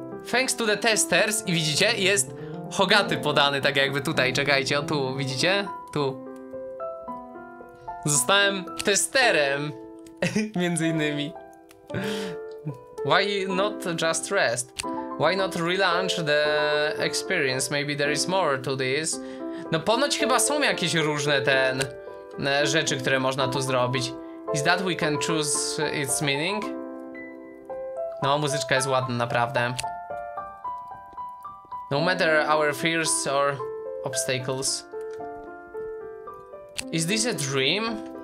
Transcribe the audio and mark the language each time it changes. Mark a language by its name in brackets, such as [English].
[English] Thanks to the testers, [Polish] i widzicie, jest Hogaty podany, tak jakby tutaj, czekajcie, o tu, widzicie? Tu. Zostałem testerem, między innymi. [English] Why not just rest? Why not relaunch the experience? Maybe there is more to this. [Polish] No ponoć chyba są jakieś różne ten... rzeczy, które można tu zrobić. [English] Is that we can choose its meaning? [Polish] No, muzyczka jest ładna, naprawdę. [English] No matter our fears or obstacles. Is this a dream?